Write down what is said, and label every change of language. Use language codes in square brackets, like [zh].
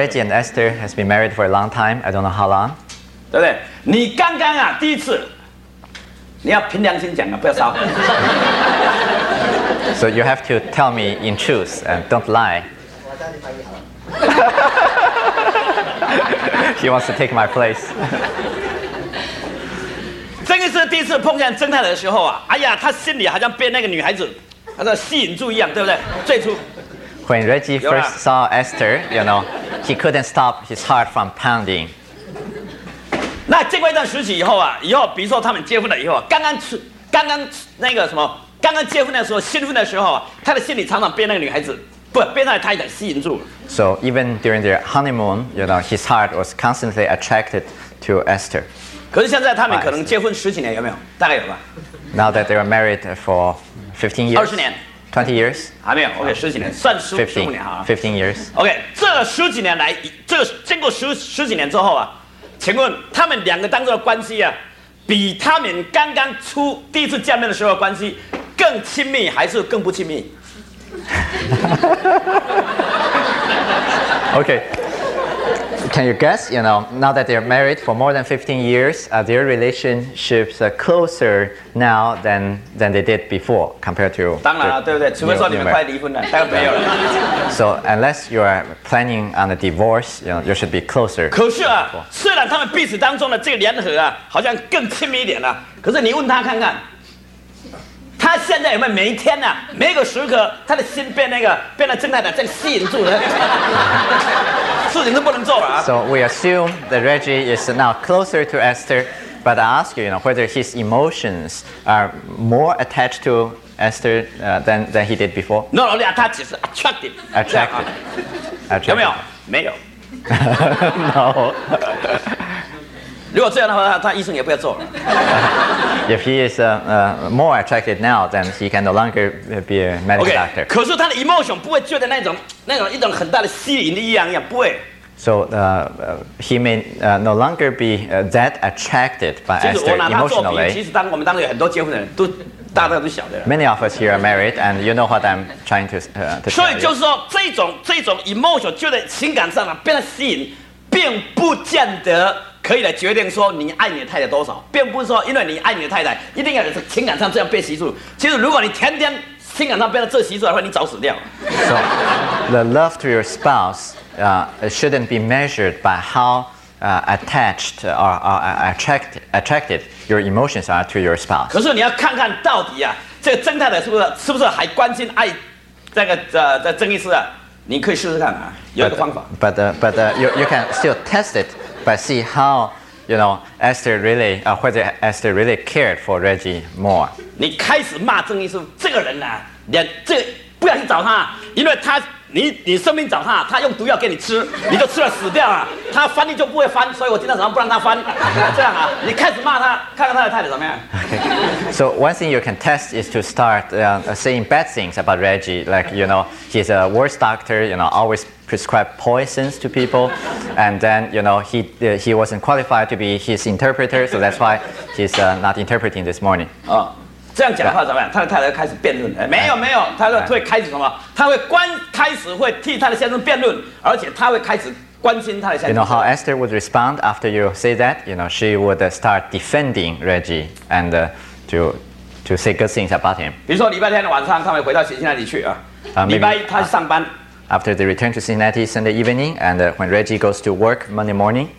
[en] Reggie and Esther has been married for a long time. I don't know how long. [zh] 对不对？你刚刚啊，第一次，你要凭良心讲啊，不要撒谎。 [en] So you have to tell me in truth and don't lie. He wants to take my place. [zh] 曾医师第一次碰见曾太太的时候啊，哎呀，他心里好像被那个女孩子。他在吸引住一样，对不对？最初 [en] ，When Reggie first saw Esther, you know, he couldn't stop his heart from pounding. [zh] 那经过一段时期以后啊，以后比如说他们结婚了以后啊，刚刚那个什么，刚刚结婚的时候兴奋的时候啊，他的心里常常被那个女孩子，不，被那个太太吸引住。 [en] So even during their honeymoon, you know, his heart was constantly attracted to Esther. [zh] 可是现在他们可能结婚十几年，有没有？大概有吧。 [en] Now that they are married for 15 years? [zh] 20年 [en] 20 years? [zh] 还没有 OK 十几年算十五年 [en] 15 years [zh] OK 这十几年来这个经过十几年之后啊请问他们两个当中的关系啊比他们刚刚初第一次见面的时候的关系更亲密还是更不亲密 [en] OK Can you guess, you know, now that they're married for more than 15 years, are their relationships closer now than they did before compared to... [zh] 当然了，对不对？除非说你们快离婚了，大概没有了。 [en] So unless you are planning on a divorce, you know, you should be closer. [zh] 可是啊，虽然他们彼此当中的这个联合啊，好像更亲密一点了，可是你问他看看，他现在有没有每一天啊，每个时刻，他的心被那个，被那正太太在吸引住了？ [en] So we assume that Reggie is now closer to Esther, but I ask you, you know, whether his emotions are more attached to Esther than he did before. No, only attached is attractive. Attractive. Attractive. [zh] 有没有？没有。No. 如果这样的话，他医生也不要做了。 [en] If he is more attracted now, then he can no longer be a medical okay, doctor. [zh] 可是他的 emotion 不会觉得那种一种很大的吸引力一样不会。 [en] So he may no longer be that attracted by Esther emotionally. [zh] 其实我们当中有很多结婚的人都大家都晓得。 [en] Many of us here are married, and you know what I'm trying to tell you. [zh] 所以就是说，这种 emotion 觉得情感上呢被他吸引，并不见得。可以来决定说你爱你的太太多少，并不是说因为你爱你的太太，一定要是情感上这样被吸住。其实如果你天天情感上被他这吸住的话，你早死掉了。 [en] So the love to your spouse, it shouldn't be measured by how attached or attracted your emotions are to your spouse. [zh] 可是你要看看到底啊，这个曾太太是不是还关心爱这个曾医师啊？你可以试试看啊，有一个方法。 [en] But you can still test it. But see how, you know, Esther really, whether Esther really cared for Reggie more. [zh] 你开始骂曾医师这个人呢、啊，连这个、不要去找他，因为他你生病找他，他用毒药给你吃，你就吃了死掉了。他翻译就不会翻，所以我今天早上不让他翻。这样啊，你开始骂他，看看他的态度怎么样。 [en] Okay. So one thing you can test is to start saying bad things about Reggie, like you know he's a worst doctor, you know always. Prescribe poisons to people, and then you know he wasn't qualified to be his interpreter, so that's why he's not interpreting this morning. [zh] Oh, 这样讲的话怎么样？他的太太开始辩论了。没有，他说会开始什么？他会开始会替他的先生辩论，而且他会开始关心他的下。 [en] You know how Esther would respond after you say that? You know, she would start defending Reggie and to say good things about him. [zh] 比如说礼拜天的晚上，他们回到新西兰去啊。礼拜一他上班。 [en] After they return to Cincinnati Sunday evening, and when Reggie goes to work Monday morning,